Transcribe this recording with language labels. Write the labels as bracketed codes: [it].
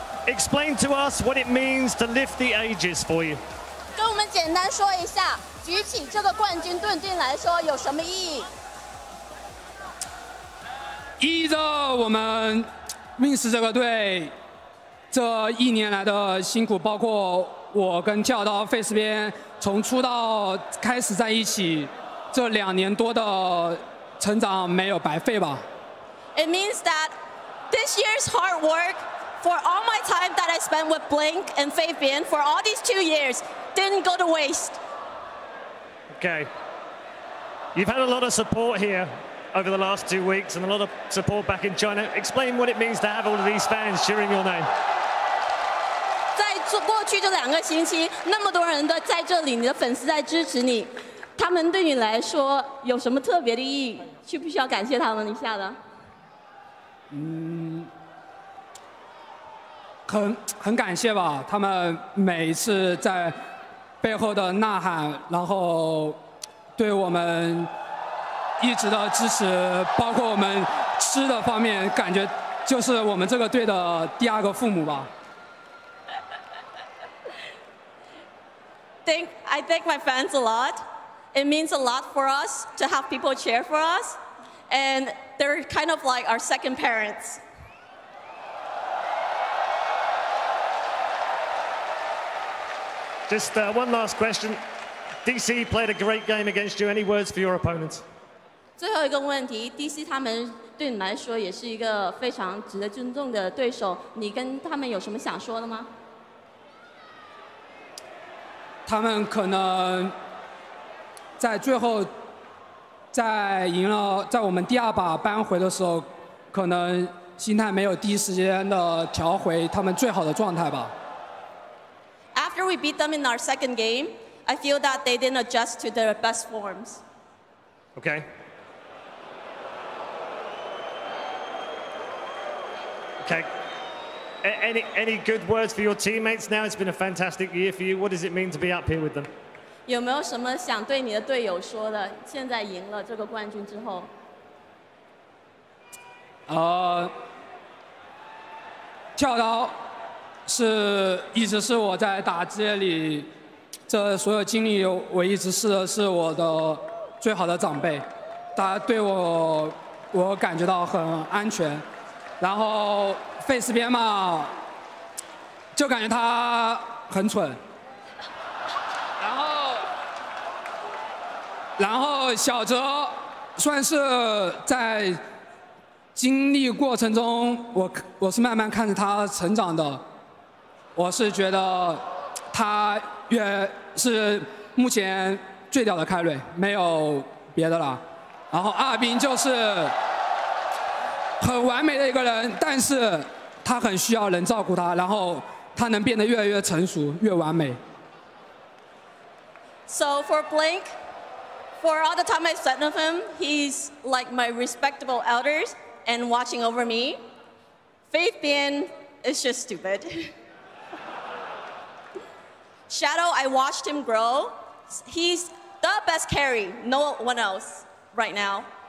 [en] Explain to us what it means to lift the aegis for you. [zh] 跟我们简单说一下，举起这个冠军盾对你来说有什么意义？依着我们 Wings 这个队这一年来的辛苦，包括我跟教导 Face 边从出道开始在一起，这两年多的成长没有白费吧。 [en] It means that this year's hard work for all my time that I spent with Blink and Fabian for all these 2 years didn't go to waste. Okay. You've had a lot of support here over the last 2 weeks and a lot of support back in China. Explain what it means to have all of these fans cheering your name. [zh] 在过去这两个星期，那么多人的在这里，你的粉丝在支持你，他们对你来说有什么特别的意义？需不需要感谢他们一下呢？很感谢吧，他们每一次在背后的呐喊，然后对我们一直的支持，包括我们吃的方面，感觉就是我们这个队的第二个父母吧。 [en] I thank my fans a lot. It means a lot for us to have people cheer for us. And they're kind of like our second parents. Just one last question. DC played a great game against you. Any words for your opponents? [zh] 最后一个问题， DC 他们对你来说也是一个非常值得尊重的对手。你跟他们有什么想说的吗？他们可能在最后在赢了，在我们第二把扳回的时候，可能心态没有第一时间的调回他们最好的状态吧。 [en] After we beat them in our second game, I feel that they didn't adjust to their best forms. Okay. Okay. Any good words for your teammates now? It's been a fantastic year for you. What does it mean to be up here with them? [zh] 有没有什么想对你的队友说的？现在赢了这个冠军之后。跳刀是一直是我在打职业里这所有经历，我一直是我的最好的长辈，他对我感觉到很安全。然后 Face 边嘛，就感觉他很蠢。然后小哲算是在经历过程中，我是慢慢看着他成长的。我是觉得他也是目前最屌的凯瑞，没有别的了。然后阿斌就是很完美的一个人，但是他很需要人照顾他，然后他能变得越来越成熟，越完美。 [en] So for Blink, for all the time I've spent with him, he's like my respectable elders and watching over me. Faith Bian is just stupid. Shadow, I watched him grow. He's the best carry, no one else right now.